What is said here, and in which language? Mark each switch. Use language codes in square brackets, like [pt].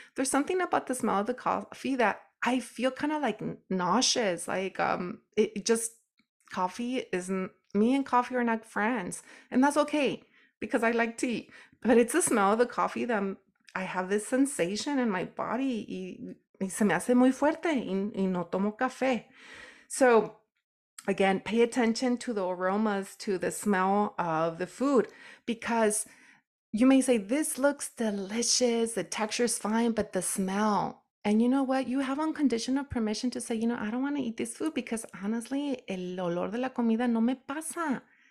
[en] There's something about the smell of the coffee that I feel kind of like nauseous. Like me and coffee are not friends, and that's okay because I like tea, but it's the smell of the coffee that I have this sensation in my body. [es] Y se me hace muy fuerte y no tomo café. [en] So again, pay attention to the aromas, to the smell of the food, because you may say this looks delicious, the texture is fine, but the smell. And you know what? You have unconditional permission to say, you know, I don't want to eat this food because honestly, [es] el olor de la comida no me pasa.